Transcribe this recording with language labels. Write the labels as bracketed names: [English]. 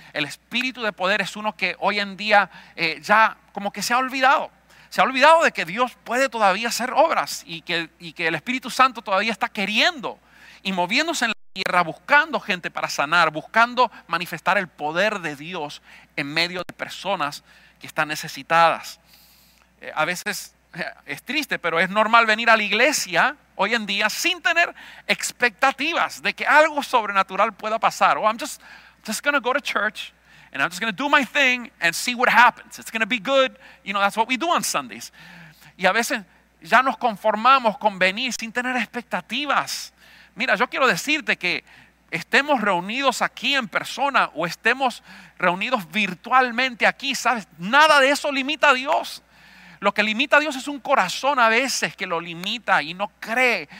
[Spanish] El espíritu de poder es uno que hoy en día ya como que se ha olvidado de que Dios puede todavía hacer obras y que el Espíritu Santo todavía está queriendo y moviéndose en la tierra, buscando gente para sanar, buscando manifestar el poder de Dios en medio de personas que están necesitadas. A veces es triste, pero es normal venir a la iglesia hoy en día sin tener expectativas de que algo sobrenatural pueda pasar. [English] Oh, I'm just going to go to church and I'm just going to do my thing and see what happens. It's going to be good. You know, that's what we do on Sundays. [Spanish] Y a veces ya nos conformamos con venir sin tener expectativas. Mira, yo quiero decirte que estemos reunidos aquí en persona o estemos reunidos virtualmente aquí, ¿sabes? Nada de eso limita a Dios. Lo que limita a Dios es un corazón a veces que lo limita y no cree.